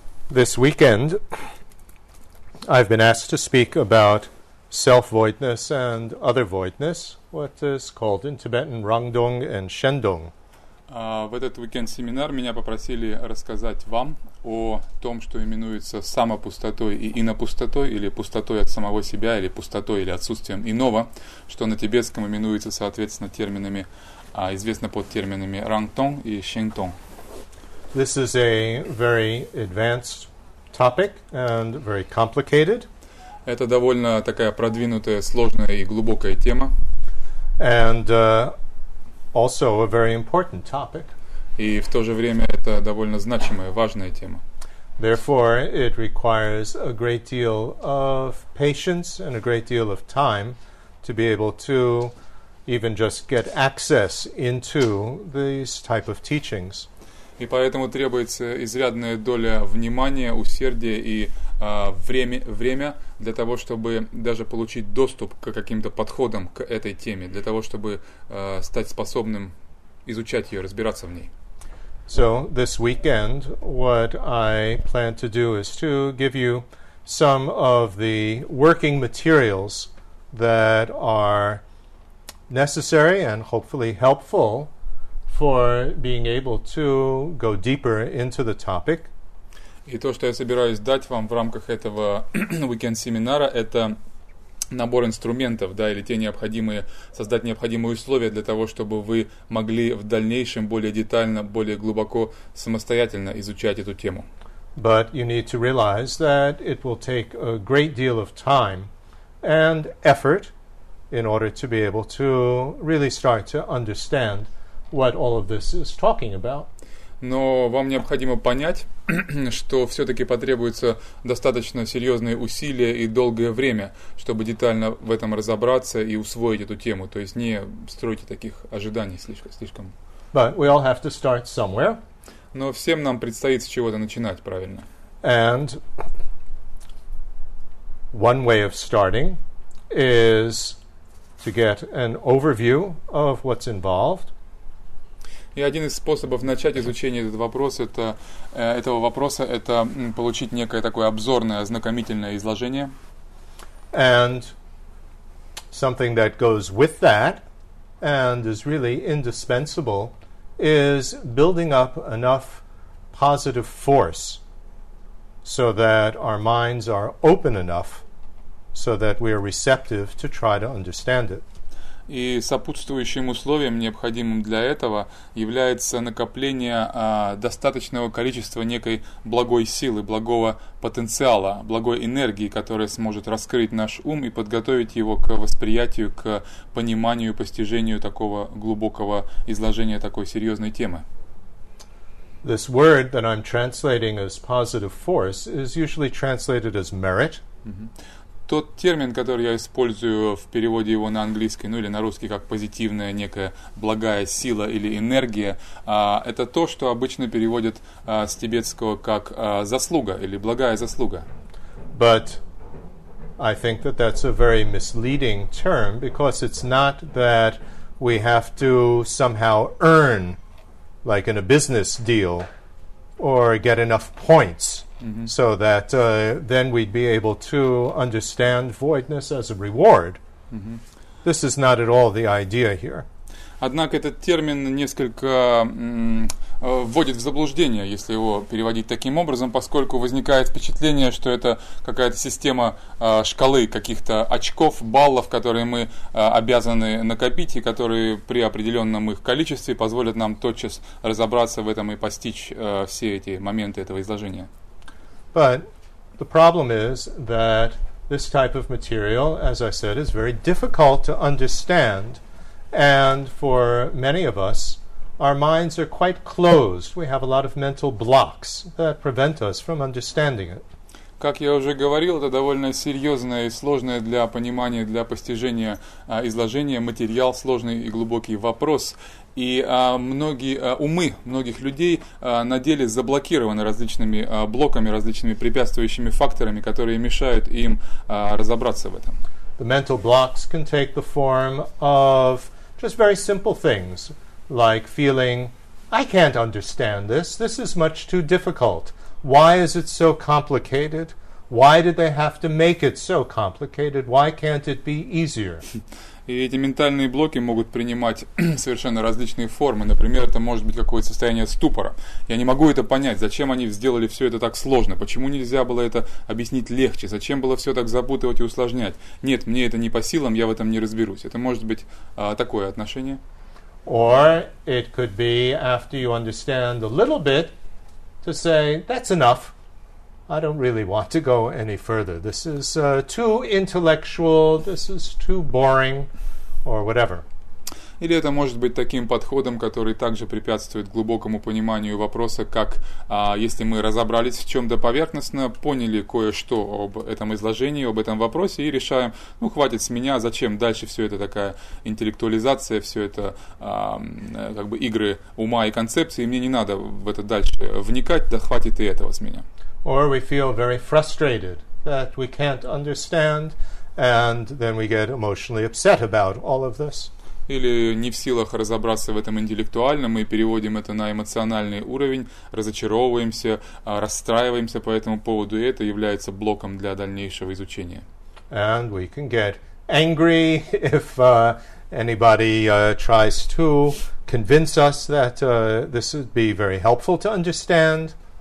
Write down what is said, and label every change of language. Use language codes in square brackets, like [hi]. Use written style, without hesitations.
[en] This weekend, I've been asked to speak about self-voidness and other voidness, what is called in Tibetan rangdong and shendong. [ru] В этот уикенд-семинар меня попросили рассказать вам о том, что именуется самопустотой и инопустотой, или пустотой от самого себя, или пустотой, или отсутствием иного, что на тибетском именуется, соответственно, терминами, известно под терминами рангдонг и шендонг. [en] This is a very advanced topic and very complicated. [ru] Это довольно такая продвинутая, сложная и глубокая тема. [en] And also a very important topic. [ru] И в то же время это довольно значимая, важная тема. [en] Therefore, it requires a great deal of patience and a great deal of time to be able to even just get access into these type of teachings. [ru] И поэтому требуется изрядная доля внимания, усердия и время для того, чтобы даже получить доступ к каким-то подходам к этой теме, для того, чтобы стать способным изучать ее, разбираться в ней. [en] So, this weekend, what I plan to do is to give you some of the working materials that are necessary and hopefully helpful for being able to go deeper into the topic. [ru] И то, что я собираюсь дать вам в рамках этого weekend-семинара, это набор инструментов, да, или те необходимые, создать необходимые условия для того, чтобы вы могли в дальнейшем более детально, более глубоко, самостоятельно изучать эту тему. [en] But you need to realize that it will take a great deal of time and effort in order to be able to really start to understand what all of this is talking about. [ru] Но вам необходимо понять, что все-таки потребуется достаточно серьезные усилия и долгое время, чтобы детально в этом разобраться и усвоить эту тему. То есть не стройте таких ожиданий слишком. [en] But we all have to start somewhere. [ru] Но всем нам предстоит с чего-то начинать, правильно? [en] And one way of starting is to get an overview of what's involved. [ru] И один из способов начать изучение этот вопрос, это, этого вопроса, это получить некое такое обзорное, ознакомительное изложение. [en] And something that goes with that, and is really indispensable, is building up enough positive force, so that our minds are open enough, so that we are receptive to try to understand it. [ru] И сопутствующим условием, необходимым для этого, является накопление достаточного количества некой благой силы, благого потенциала, благой энергии, которая сможет раскрыть наш ум и подготовить его к восприятию, к пониманию, постижению такого глубокого изложения такой серьезной темы. [en] This word that I'm translating as positive force is usually translated as merit. [ru] Тот термин, который я использую в переводе его на английский, ну или на русский, как позитивная некая благая сила или энергия, это то, что обычно переводят с тибетского как заслуга или благая заслуга. [en] But I think that that's a very misleading term, because it's not that we have to somehow earn, like in a business deal, or get enough points. Mm-hmm. So that then we'd be able to understand voidness as a reward. Mm-hmm. This is not at all the idea here. [ru] Однако этот термин несколько вводит в заблуждение, если его переводить таким образом, поскольку возникает впечатление, что это какая-то система шкалы каких-то очков, баллов, которые мы обязаны накопить, и которые при определенном их количестве позволят нам тотчас разобраться в этом и постичь все эти моменты этого изложения. [en] But the problem is that this type of material, as I said, is very difficult to understand. And for many of us, our minds are quite closed. We have a lot of mental blocks that prevent us from understanding it. [ru] Как я уже говорил, это довольно серьезное и сложное для понимания, для постижения изложения материал, сложный и глубокий вопрос. И многие умы многих людей на деле заблокированы различными блоками, различными препятствующими факторами, которые мешают им разобраться в этом. [en] The mental blocks can take the form of just very simple things, like feeling, I can't understand this, this is much too difficult. Why is it so complicated? Why did they have to make it so complicated? Why can't it be easier? [ru] И эти ментальные блоки могут принимать совершенно различные формы. Например, это может быть какое-то состояние ступора. Я не могу это понять, зачем они сделали все это так сложно? Почему нельзя было это объяснить легче? Зачем было все так запутывать и усложнять? Нет, мне это не по силам, я в этом не разберусь. Это может быть такое отношение. [en] Or it could be after you understand a little bit to say, that's enough. I don't really want to go any further. This is too intellectual, this is too boring, or whatever. [ru] Или это может быть таким подходом, который также препятствует глубокому пониманию вопроса, как если мы разобрались в чем-то поверхностно, поняли кое-что об этом изложении, об этом вопросе и решаем, ну хватит с меня, зачем дальше все это такая интеллектуализация, все это как бы игры ума и концепции, мне не надо в это дальше вникать, да хватит и этого с меня. [en] Or we feel very frustrated that we can't understand, and then we get emotionally upset about all of this. [ru] Или не в силах разобраться в этом интеллектуально, мы переводим это на эмоциональный уровень, разочаровываемся, расстраиваемся по этому поводу, и это является блоком для дальнейшего изучения. [en] And we can get angry if anybody tries to convince us that this would be very helpful to understand.